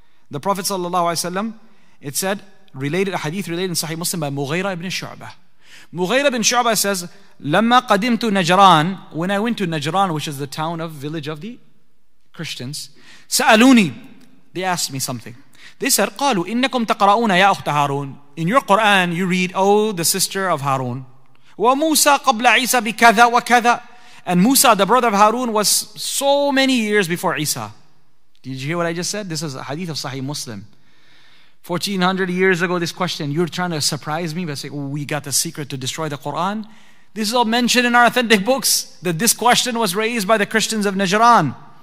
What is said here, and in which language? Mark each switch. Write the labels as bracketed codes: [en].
[en] The Prophet sallallahu alayhi wasalam, it said, related a Hadith related in Sahih Muslim by Mughira ibn Shu'bah. Mughira ibn Shu'bah says, [ar] "Lamma qadimtu Najran," [en] when I went to Najran, which is the town of village of the Christians, Sa'aluni, they asked me something. They said, [ar] قالوا إنكم تقرؤون يا أخت هارون. [en] In your Quran, you read, oh, the sister of Harun. [ar] وموسى قبل عيسى بكذا وكذا. [en] And Musa, the brother of Harun, was so many years before Isa. Did you hear what I just said? This is a hadith of Sahih Muslim. 1400 years ago, this question, you're trying to surprise me by saying, oh, we got the secret to destroy the Quran. This is all mentioned in our authentic books, that this question was raised by the Christians of Najran.